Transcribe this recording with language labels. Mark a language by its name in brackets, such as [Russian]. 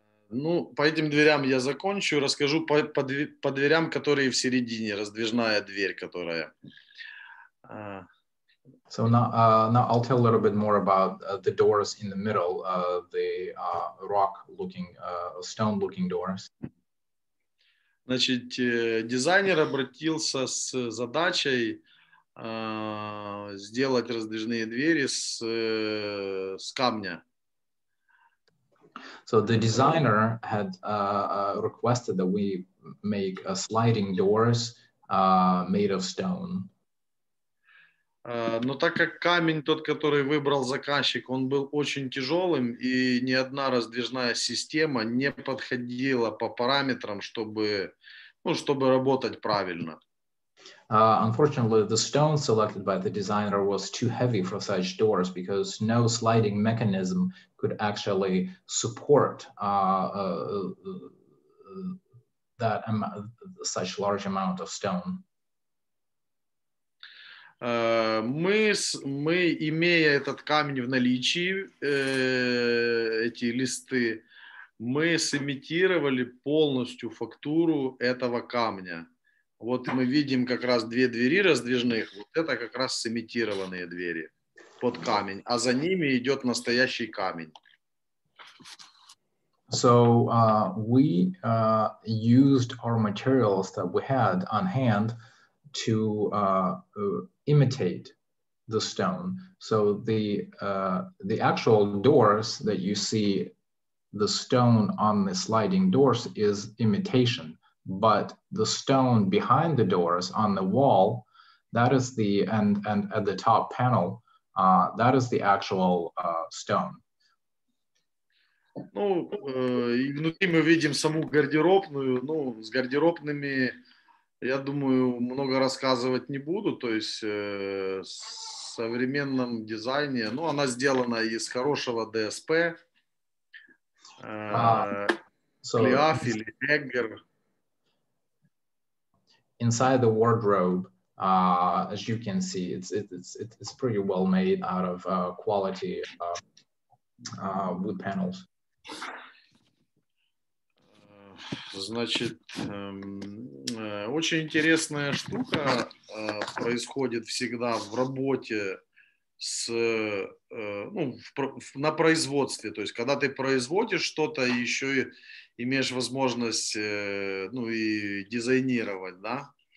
[Russian] Ну, по этим дверям я закончу, расскажу по дверям, которые в середине, раздвижная дверь, которая... [English] So now I'll tell a little bit more about the doors in the middle, the rock-looking, stone-looking doors. [Russian] Значит, дизайнер обратился с задачей сделать раздвижные двери с камня. [English] So the designer had requested that we make a sliding doors made of stone. [Russian] Но так как камень тот, который выбрал заказчик, он был очень тяжелым, и ни одна раздвижная система не подходила по параметрам, чтобы, ну, чтобы работать правильно. [English] Unfortunately, the stone selected by the designer was too heavy for such doors because no sliding mechanism could actually support that such large amount of stone. [Russian] Мы имея этот камень в наличии, эти листы, мы сымитировали полностью фактуру этого камня. Вот мы видим как раз две двери раздвижных, вот это как раз сымитированные двери под камень, а за ними идет настоящий камень. [English] So we used our materials that we had on hand to imitate the stone. So the actual doors that you see, the stone on the sliding doors is imitation. But the stone behind the doors on the wall, that is the, and at the top panel, that is the actual stone. [Russian] Ну, и внутри мы видим саму гардеробную, ну, с гардеробными, я думаю, много рассказывать не буду, то есть в современном дизайне, ну, она сделана из хорошего ДСП, Клиаф или Эггер. [English] Inside the wardrobe, as you can see, it's pretty well made out of quality wood panels. [Russian] Значит, очень интересная штука происходит всегда в работе с ну на производстве, то есть когда ты производишь что-то, еще и имеешь возможность ну и дизайнировать, да?